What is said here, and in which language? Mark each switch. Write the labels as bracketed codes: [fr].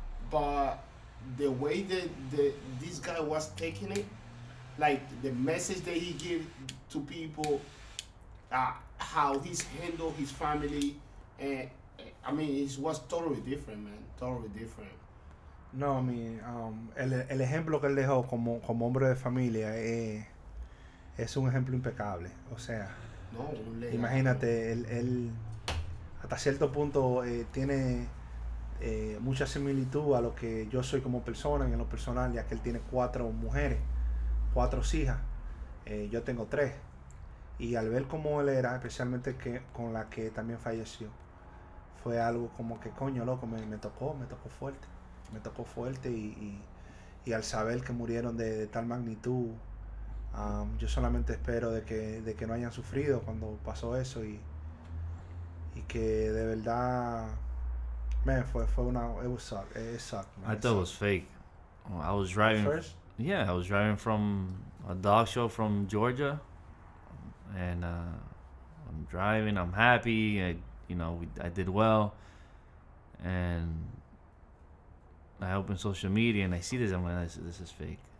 [en] But the way that this guy was taking it, like the message that he gave to people, how he's handled his family, it was totally different, man. Totally different. No, I mean, [es] el ejemplo que él dejó como hombre de familia es un ejemplo impecable. O sea, no, imagínate, él hasta cierto punto tiene mucha similitud a lo que yo soy como persona, y en lo personal, ya que él tiene cuatro mujeres, cuatro hijas, yo tengo tres. Y al ver cómo él era, especialmente con la que también falleció, fue algo como que, coño, loco, me tocó fuerte. Me tocó fuerte, y al saber que murieron de tal magnitud, yo solamente espero de que no hayan sufrido cuando pasó eso, y que de verdad, man, fue una, [en] it sucked, man. I thought it was fake. I was driving first? Yeah, I was driving from a dog show from Georgia, and I'm driving, I'm happy, I did well, and I open social media and I see this. I'm like, this is fake.